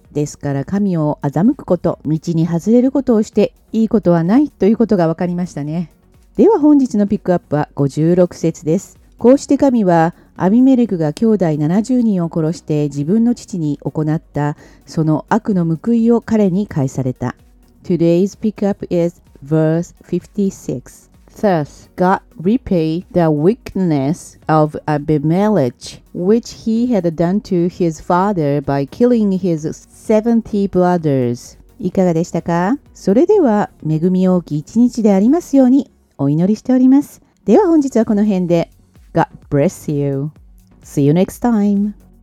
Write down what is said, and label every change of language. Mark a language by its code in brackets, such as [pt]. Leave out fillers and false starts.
[ja] ですから神を欺くこと、道に外れることをしていいことはないということが分かりましたね。では本日のピックアップは56節です。こうして神はアビメレクが兄弟70人を殺して自分の父に行ったその悪の報いを彼に返された。 [en] Today's pickup is verse 56. Thus God repaid the wickedness of Abimelech which he had done to his father by killing his 70 brothers. [ja] いかがでしたか？それでは恵み多き一日でありますようにお祈りしております。では本日はこの辺で。 [en] God bless you. See you next time.